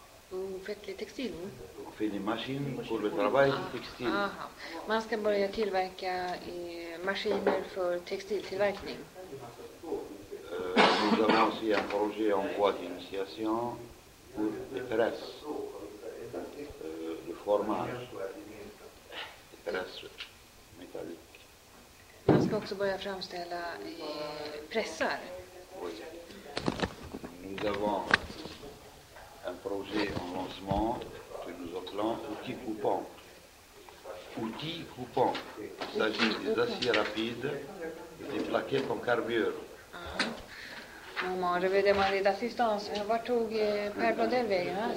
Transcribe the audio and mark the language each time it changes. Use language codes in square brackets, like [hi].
[fr] Vous faites les textiles, on fait des machines pour le travail du textile. [sv] Man ska börja tillverka maskiner för textiltillverkning. [fr] Nous avons aussi un projet en voie d'initiation pour les presses, le fromage, les presses métalliques. [sv] Man ska också börja framställa pressar. [fr] Oui. Nous avons un projet en lancement que nous appelons outil coupant. Outil coupant. Il s'agit des aciers rapides et des plaquettes en carbure. Ah. Moi, je vais demander d'assistance. Mais où [sv] tog [fr] Per Blondel [sv] vägen?